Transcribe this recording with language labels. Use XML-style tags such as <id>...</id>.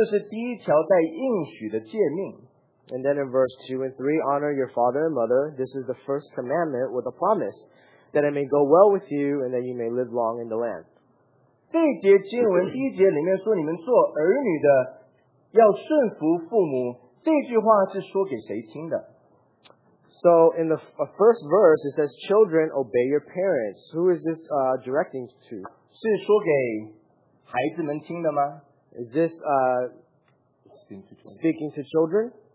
<zh>然后第二节、第三节就说，要孝敬父母，使你们得福，在世长寿，这是第一条带应许的诫命。</zh> <en>And then in verse 2 and 3, honor your father and mother, this is the first commandment with a promise, that it may go well with you and that you may live long in the land.</en> <zh>这一节经文第一节里面说，你们做儿女的要顺服父母。这句话是说给谁听的?</zh> <en>So in the first verse, it says, "Children, obey your parents." Who is this directing to?</en> <zh>是说给孩子们听的吗?</zh> <en>Is this speaking to children?</en>